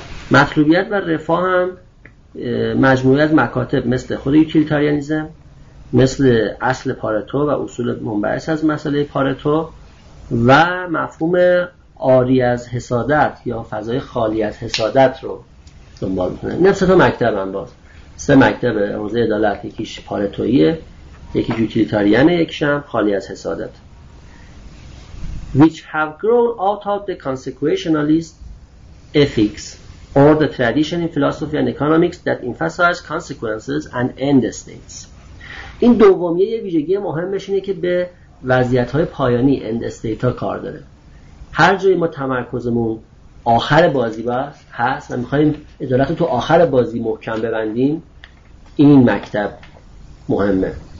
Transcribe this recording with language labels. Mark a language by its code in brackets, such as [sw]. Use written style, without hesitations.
[fa] مطلوبیت و رفاه هم مجموعی از مکاتب مثل خود یوتیلیتاریانیزم، مثل اصل پارتو و اصول منبعث از مسئله پارتو و مفهوم آری از حسادت یا فضای خالی از حسادت رو دنبال میکنه. این هم سه تا مکتب هم باز. سه مکتب حوزه عدالت، یکیش پارتویه، یکیش یوتیلیتاریانه، یکیش هم خالی از حسادت. [en] Which have grown out of the consequentialist ethics or the tradition in philosophy and economics that emphasize consequences and end states. [fa] این دومیه یه ویژگی مهمش اینه که به وضعیت‌های پایانی end state ها کار داره. هر جایی ما تمرکزمون آخر بازی باز هست و می‌خوایم عدالت رو تو آخر بازی محکم ببندیم، این مکتب مهمه.